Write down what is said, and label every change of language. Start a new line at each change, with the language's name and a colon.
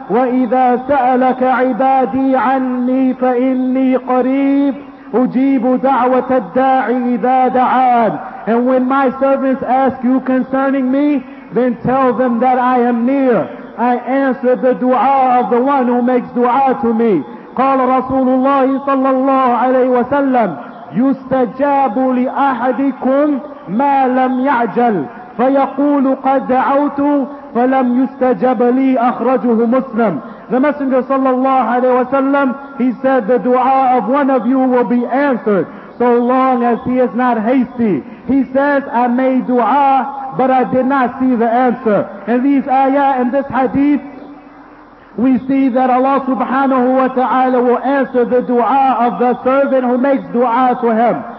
Arabic: وَإِذَا سَأَلَكَ عِبَادِي عَنِّي فَإِنِّي قَرِيبٌ أُجِيبُ دَعْوَةَ الدَّاعِ إِذَا دَعَانِ.
English: And when my servants ask you concerning me, then tell them that I am near. I answer the dua of the one who makes dua to me.
Arabic: قال رسول الله صلى الله عليه وسلم يستجاب لأحدكم ما لم يعجل فيقول قد دعوت فلم يستجب لي أخرجه مسلم.
English: The Messenger sallallahu alayhi wa sallam, he said, the dua of one of you will be answered so long as he is not hasty. He says, I made dua, but I did not see the answer. And these ayah and this hadith, we see that Allah subhanahu wa ta'ala will answer the dua of the servant who makes dua to him.